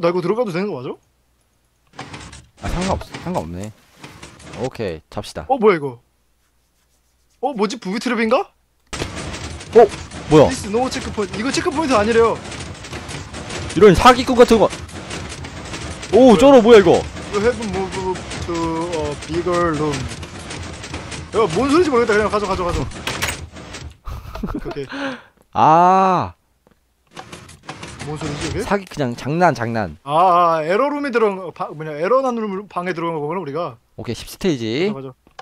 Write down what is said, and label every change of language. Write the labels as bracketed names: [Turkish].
[Korean] 나 이거 들어가도 되는 거 맞아? 아, 상관없네. 오케이. 잡시다. 어? 뭐야 이거? 어? 뭐지? 부비트랩인가? 어? 뭐야? [English] 리스 노 체크포인트. [Korean] 이거 체크포인트 아니래요. 이런 사기꾼 같은 거. 오 쩔어 뭐야 이거. [English] You have moved to a bigger room. [Korean] 야 뭔 소리인지 모르겠다. 그냥 가져. 아 뭔 소리지 이게? 사기 그냥 장난. 아 에러룸에 들어간 방 뭐냐 에러룸 방에 들어간 거구나 우리가. 오케이 10스테이지 가져.